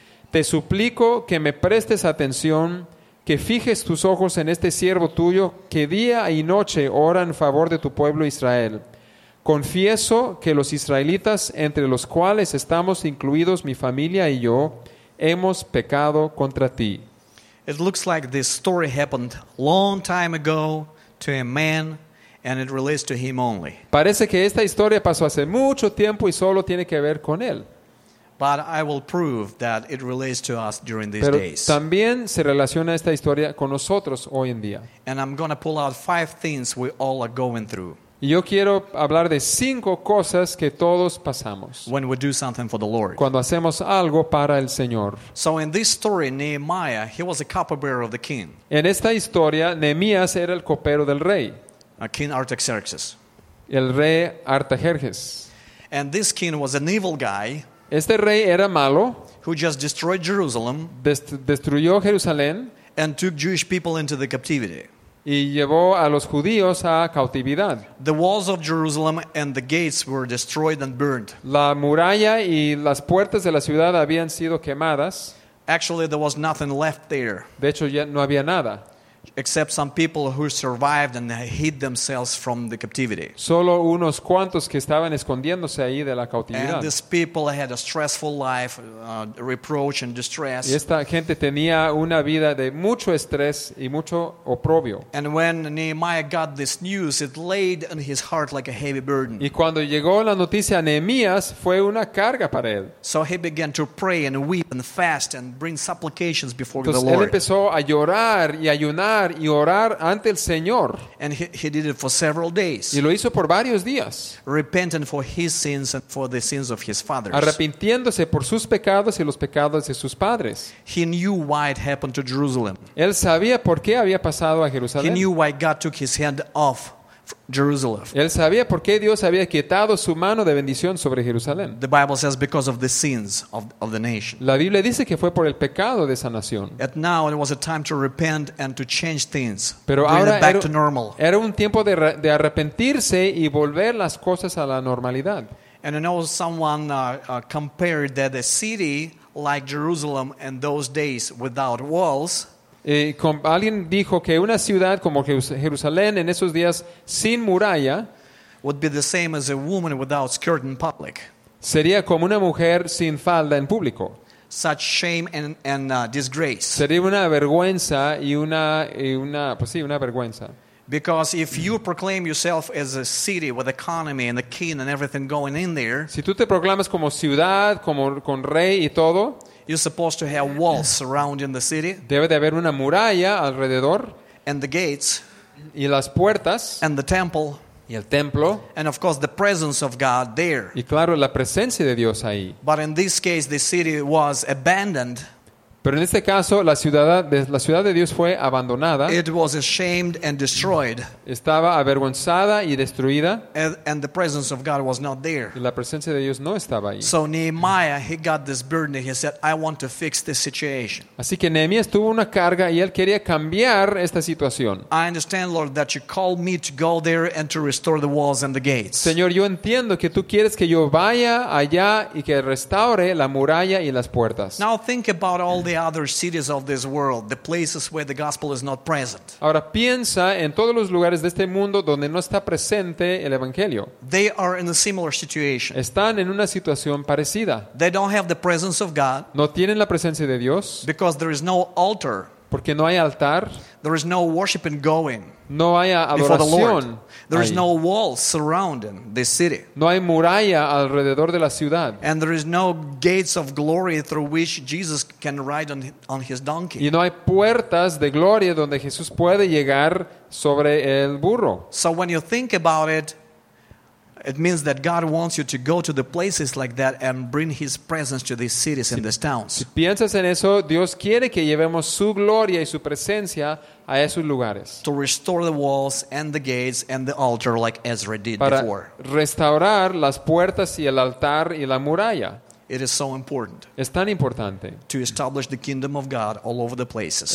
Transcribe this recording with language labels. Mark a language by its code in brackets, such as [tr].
[es] Te suplico que me prestes atención, que fijes tus ojos en este siervo tuyo que día y noche ora en favor de tu pueblo Israel. Confieso que los israelitas, entre los cuales estamos incluidos mi familia y yo, hemos pecado contra ti. [en] It looks like this story happened long time ago to a man, and it relates to him only. [es] Parece que esta historia pasó hace mucho tiempo y solo tiene que ver con él. [en] But I will prove that it relates to us during these [es] Pero [en] days. [es] También se relaciona esta historia con nosotros hoy en día. [en] And I'm going to pull out five things we all are going through. [es] Y yo quiero hablar de cinco cosas que todos pasamos. [en] When we do something for the Lord. [es] Cuando hacemos algo para el Señor. [en] So in this story, Nehemiah, he was a cupbearer of the king. [es] En esta historia, Nehemías era el copero del rey. [en] King Artaxerxes. [es] El rey Artajerjes. [en] And this king was an evil guy. [es] Este rey era malo. [en] Who just destroyed Jerusalem. [es] Destruyó Jerusalén. [en] And took Jewish people into the captivity. [es] Y llevó a los judíos a cautividad. [en] The walls of Jerusalem and the gates were destroyed and burned. [es] La muralla y las puertas de la ciudad habían sido quemadas. [en] Actually, there was nothing left there. [es] De hecho, ya no había nada. [en] Except some people who survived and hid themselves from the captivity. [es] Solo unos cuantos que estaban escondiéndose ahí de la cautividad. [en] And these people had a stressful life, reproach and distress. [es] Y esta gente tenía una vida de mucho estrés y mucho oprobio. [en] And when Nehemiah got this news, it laid on his heart like a heavy burden. [es] Y cuando llegó la noticia a Nehemías, fue una carga para él. [en] So he began to pray and weep and fast and bring supplications before [es] Entonces, [en] the Lord. [es] Él empezó a llorar y ayunar y orar ante el Señor. [en] And he did it for several days. [es] Y lo hizo por varios días. [en] Repentant for his sins and for the sins of his fathers. [es] Arrepintiéndose por sus pecados y los pecados de sus padres. [en] He knew why it happened to Jerusalem. [es] Él sabía por qué había pasado a Jerusalén. [en] He knew why God took his hand off Jerusalem. [es] Él sabía por qué Dios había quitado su mano de bendición sobre Jerusalén. [en] The Bible says because of the sins of the nation. [es] La Biblia dice que fue por el pecado de esa nación. [en] At now it was a time to repent and to change things. [es] Pero ahora [en] bring it back to normal. [es] Era un tiempo de arrepentirse y volver las cosas a la normalidad. [en] And I know someone compared that a city like Jerusalem in those days without walls. [es] Alguien dijo que una ciudad como Jerusalén en esos días sin muralla [en] would be the same as a woman without skirt in public. [es] Sería como una mujer sin falda en público. [en] Such shame and disgrace. [es] Sería una vergüenza y una pues sí, una vergüenza. [en] Because if you proclaim yourself as a city with economy and a king and everything going in there, [es] si tú te proclamas como ciudad, como con rey y todo, [en] you're supposed to have walls surrounding the city. [es] Debe de haber una muralla alrededor. [en] And the gates. [es] Y las puertas. [en] And the temple. [es] Y el templo. [en] And of course the presence of God there. [es] Y claro, la presencia de Dios ahí. [en] But in this case, the city was abandoned. [es] Pero en este caso, la ciudad de Dios fue abandonada. [en] It was ashamed and destroyed. [es] Estaba avergonzada y destruida. [en] And the presence of God was not there. [es] Y la presencia de Dios no estaba ahí. [en] So Nehemiah, he got this burden. He said, "I want to fix this situation." [es] Así que Nehemías tuvo una carga y él quería cambiar esta situación. [en] I understand, Lord, that you called me to go there and to restore the walls and the gates. [es] Señor, yo entiendo que tú quieres que yo vaya allá y que restaure la muralla y las puertas. [en] Now think about all the other cities of this world, the places where the gospel is not present. [es] Ahora piensa en todos los lugares de este mundo donde no está presente el evangelio. [en] They are in a similar situation. [es] Están en una situación parecida. [en] They don't have the presence of God. [es] No tienen la presencia de Dios. [en] Because there is no altar. [es] Porque no hay altar. [en] There is no worshiping going. [es] No hay adoración. [en] There is no wall surrounding this city. [es] No hay muralla alrededor de la ciudad. [en] And there is no gates of glory through which Jesus can ride on his donkey. [es] Y no hay puertas de gloria donde Jesús puede llegar sobre el burro. [en] So when you think about it, it means that God wants you to go to the places like that and bring his presence to these cities and these towns. [es] Si piensas en eso, Dios quiere que llevemos su gloria y su presencia a esos lugares. [en] To restore the walls and the gates and the altar like Ezra did before. [es] Para restaurar las puertas y el altar y la muralla. [en] It is so important. [es] Es tan importante. [en] To establish the kingdom of God all over the places.